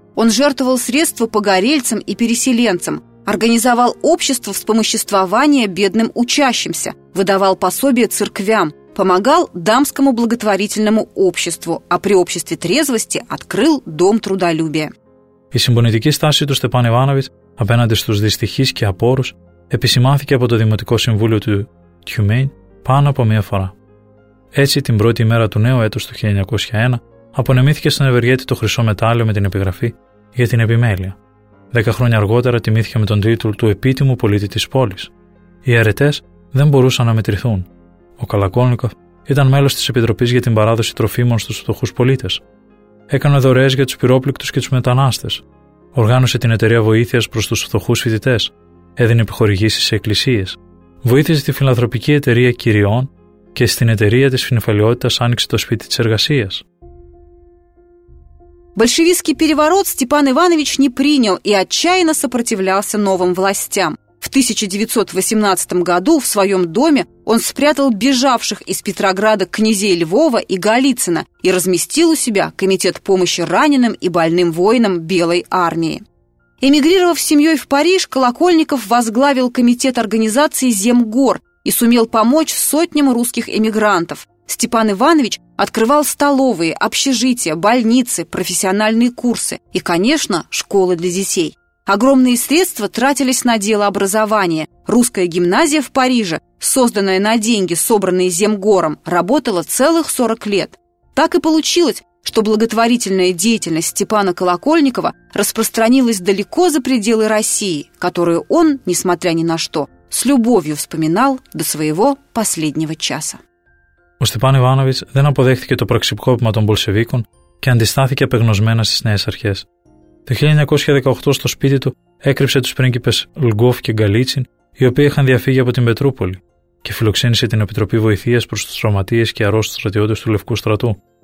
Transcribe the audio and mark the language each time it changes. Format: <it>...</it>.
<ru>Он жертвовал средства погорельцам и переселенцам, организовал общество вспомоществования бедным учащимся, выдавал пособия церквям, помогал дамскому благотворительному обществу, а при обществе трезвости открыл дом трудолюбия.</ru> <el>Η συμπονητική στάση του Στεπάν Ιβάνοβιτς απέναντι στους δυστυχείς και απόρους επισημάνθηκε από το Δημοτικό Συμβούλιο του Τιουμέν πάνω από μία φορά. Έτσι, την πρώτη μέρα του νέου έτους του 1901, απονεμήθηκε στον Ευεργέτη το χρυσό μετάλλιο με την επιγραφή για την επιμέλεια. 10 χρόνια αργότερα τιμήθηκε με τον τίτλο του επίτιμου πολίτη της πόλης. Οι αρετές δεν μπορούσαν να μετρηθούν. Ο Καλακόλνικοφ ήταν μέλος της Επιτροπής για την παράδοση τροφίμων στους φτωχούς πολίτες. Έκανε δωρεές για τους πυρόπληκτους και τους μετανάστες. Οργάνωσε την εταιρεία βοήθειας προς τους φτωχούς φοιτητές. Έδινε επιχορηγήσεις σε εκκλησίες. Βοήθησε τη φιλανθρωπική εταιρεία κυριών και στην εταιρεία της φινεφαλαιότητας άνοιξε το σπίτι της εργασίας.</el> <ru>Большевистский переворот Степан Иванович не принял и отчаянно сопротивлялся новым властям. В 1918 году в своем доме он спрятал бежавших из Петрограда князей Львова и Голицына и разместил у себя комитет помощи раненым и больным воинам Белой армии. Эмигрировав с семьей в Париж, Колокольников возглавил комитет организации «Земгор» и сумел помочь сотням русских эмигрантов. Степан Иванович открывал столовые, общежития, больницы, профессиональные курсы и, конечно, школы для детей. Огромные средства тратились на дело образования. Русская гимназия в Париже, созданная на деньги, собранные Земгором, работала целых 40 лет. Так и получилось, что благотворительная деятельность Степана Колокольникова распространилась далеко за пределы России, которую он, несмотря ни на что, с любовью вспоминал до своего последнего часа.</ru> <el>Ο Στεπάν Ιβάνοβιτς δεν αποδέχθηκε το πραξικόπημα των Μπολσεβίκων και αντιστάθηκε απεγνωσμένα στις νέες αρχές. Το 1918 στο σπίτι του έκρυψε τους πρίγκιπες Λγκόφ και Γκαλίτσιν, οι οποίοι είχαν διαφύγει από την Πετρούπολη, και φιλοξένησε την Επιτροπή Βοηθείας προς τους τραυματίες και αρρώστους στρατιώτες του Λευκού Στρατού.</el>